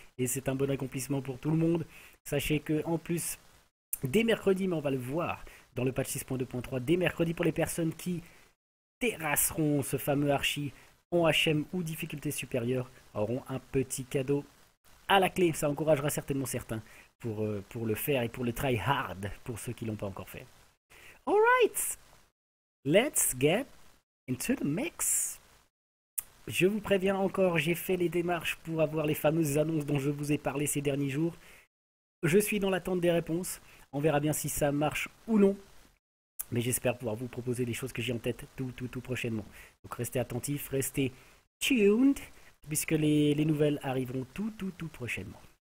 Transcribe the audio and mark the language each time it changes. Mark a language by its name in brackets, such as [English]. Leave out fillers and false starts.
[French] Et c'est un bon accomplissement pour tout le monde. Sachez que en plus, dès mercredi, mais on va le voir dans le patch 6.2.3, dès mercredi, pour les personnes qui terrasseront ce fameux archi en HM ou difficulté supérieure, auront un petit cadeau à la clé. Ça encouragera certainement certains pour le faire et pour le try hard pour ceux qui ne l'ont pas encore fait. [English] Alright, let's get into the mix. [French] Je vous préviens encore, j'ai fait les démarches pour avoir les fameuses annonces dont je vous ai parlé ces derniers jours. Je suis dans l'attente des réponses. On verra bien si ça marche ou non. Mais j'espère pouvoir vous proposer les choses que j'ai en tête tout prochainement. Donc restez attentifs, restez tuned, puisque les nouvelles arriveront tout prochainement.